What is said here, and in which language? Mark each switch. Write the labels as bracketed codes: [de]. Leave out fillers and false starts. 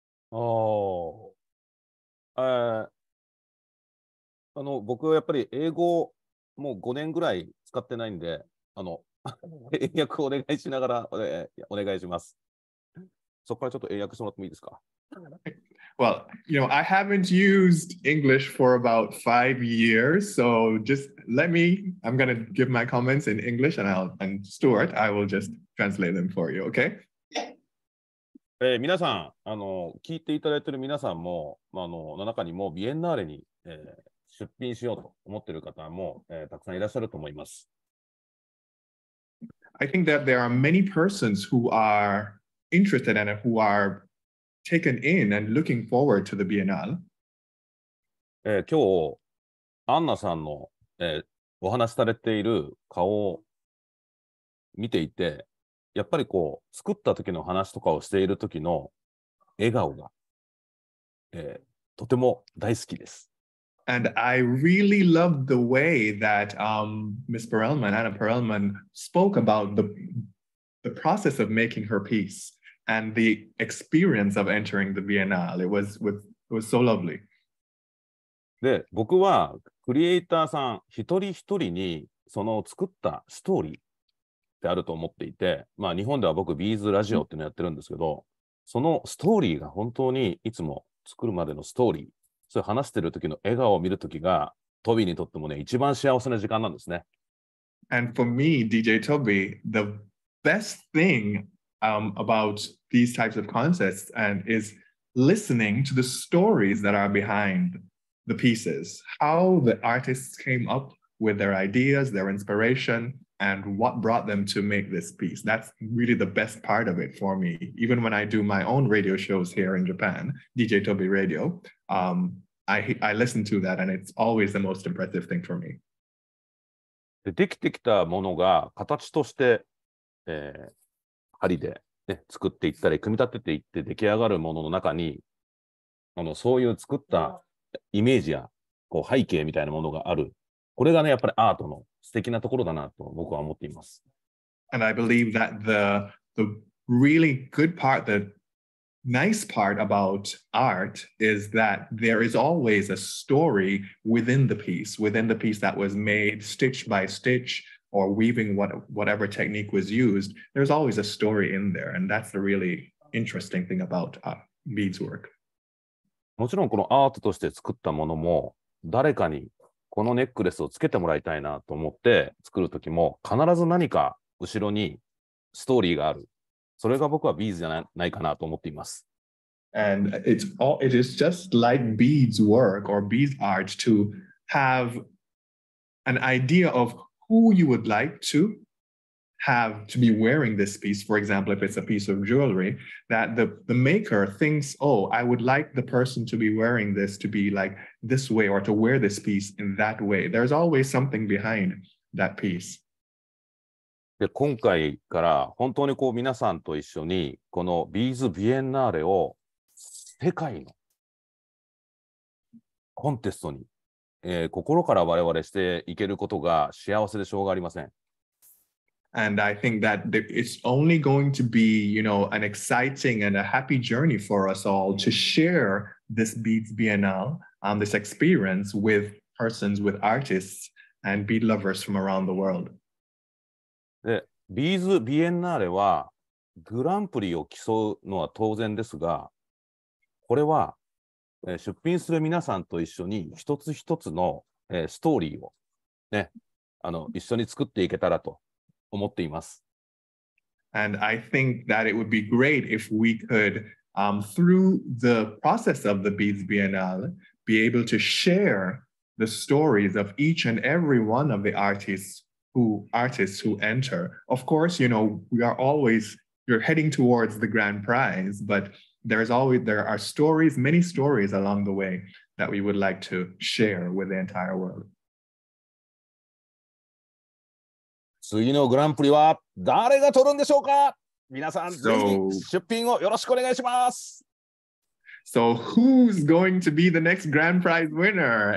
[ja] 僕はやっぱり英語もう5年ぐらい使ってないんで、英訳をお願いしながらお願いします。そこからちょっと英訳してもらってもいいですか? [en] Well, you know, I haven't used English for about 5 years, so just let me, I'm going to give my comments in English and I'll, and Stuart, I will just translate them for you, okay? [ja] 皆さん、聞いていただいている皆さんも、の中にもビエンナーレに、出品しようと思っている方も、たくさんいらっしゃると思います。 [en] I think that there are many persons who are interested and who are taken in and looking forward to the Biennale. [ja] 今日、アンナさんの、お話しされている顔を見ていて、やっぱりこう作った時の話とかをしている時の笑顔が、とても大好きです。 [en] And I really loved the way that Miss Perelman, Anna Perelman, spoke about the process of making her piece and the experience of entering the Biennale. It was so lovely. [ja] で、僕はクリエイターさん一人一人にその作ったストーリーってあると思っていて、まあ日本では僕ビーズラジオっていうのやってるんですけど、そのストーリーが本当にいつも作るまでのストーリー、それ話してる時の笑顔を見る時がトビーにとってもね一番幸せな時間なんですね。 [en] And for me, DJ Toby, the best thing about these types of concerts and is listening to the stories that are behind the pieces, how the artists came up with their ideas, their inspiration. And what brought them to make this piece? That's really the best part of it for me. Even when I do my own radio shows here in Japan, DJ Toby Radio, I listen to that, and it's always the most impressive thing for me. [ja] で、できてきたものが形として、針で、ね、作っていったり組み立てていって出来上がるものの中に、そういう作ったイメージやこう背景みたいなものがある。これがね、やっぱりアートの素敵なところだなと僕は思っています。 [en] And I believe that the really good part, the nice part about art is that there is always a story within the piece that was made stitch by stitch or weaving whatever technique was used. There's always a story in there, and that's the really interesting thing about beads work. [ja] もちろんこのアートとして作ったものも誰かにこのネックレスをつけてもらいたいなと思って作るときも必ず何か後ろにストーリーがある。それが僕はビーズじゃないかなと思っています。 [en] And it is just like beads work or beads art to have an idea of who you would like to have to be wearing this piece. For example, if it's a piece of jewelry, that the maker thinks, oh, I would like the person to be wearing this to be like this way or to wear this piece in that way. There's always something behind that piece. [ja] で、今回から本当にこう皆さんと一緒にこのビーズビエンナーレを世界のコンテストに、心から我々していけることが幸せでしょうがありません。 [en] And I think that it's only going to be, you know, an exciting and a happy journey for us all to share this Beads Biennale, this experience with persons, with artists and bead lovers from around the world. [ja] で、Beads Biennale はグランプリを競うのは当然ですが、これは、出品する皆さんと一緒に一つ一つの、ストーリーをね、一緒に作っていけたらと。思っています。 [en] And I think that it would be great if we could, through the process of the Beads Biennale, be able to share the stories of each and every one of the artists who enter. Of course, you know, we are always, you're heading towards the grand prize, but there are stories, many stories along the way that we would like to share with the entire world. [ja] 次のグランプリは誰が取るんでしょうか皆さん、ぜひ出品をよろしくお願いします。 [en] So who's going to be the next grand prize winner?